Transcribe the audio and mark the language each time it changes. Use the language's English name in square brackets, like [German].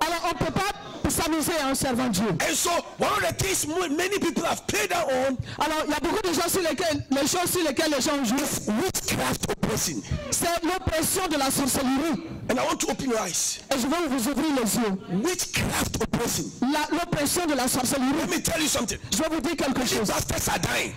[French] Alors on peut pas s'amuser en servant Dieu. [English] And so one of the things many people have played down on. [French] Alors il y a beaucoup de gens sur lesquels les choses sur lesquelles les gens jouent. [English] Witchcraft oppression. [French] C'est l'oppression de la sorcellerie. [English] And I want to open your eyes. [French] Et je veux vous ouvrir les yeux. [English] Witchcraft oppression. [French] L'oppression de la sorcellerie. [English] Let me tell you something. [French] Je vais vous dire quelque [English] Many [French] chose. [English] Pastors are dying.